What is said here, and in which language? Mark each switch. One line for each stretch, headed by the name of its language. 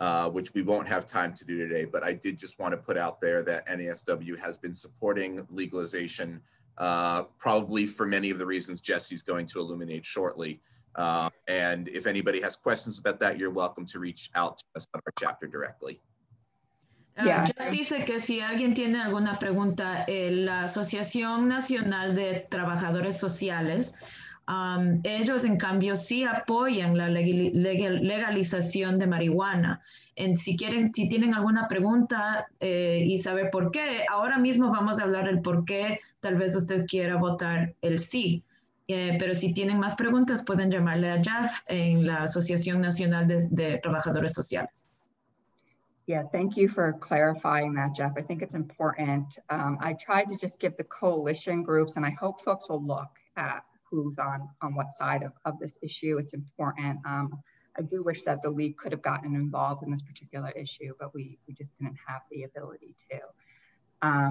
English: Which we won't have time to do today, but I did just want to put out there that NASW has been supporting legalization probably for many of the reasons Jesse's going to illuminate shortly. And if anybody has questions about that, you're welcome to reach out to us at our chapter directly.
Spanish: Jeff dice que si alguien tiene alguna pregunta, la Asociación Nacional de Trabajadores Sociales, ellos en cambio sí apoyan la legalización de marihuana.
English: And
Spanish: si quieren, si tienen alguna pregunta y saber por qué, ahora mismo vamos a hablar el por qué tal vez usted quiera votar el sí. Pero si tienen más preguntas, pueden llamarle a Jeff en la Asociación Nacional de Trabajadores Sociales.
English: Yeah, thank you for clarifying that, Jeff. I think it's important. I tried to just give the coalition groups, and I hope folks will look at who's on what side of this issue. It's important. I do wish that the league could have gotten involved in this particular issue, but we just didn't have the ability to.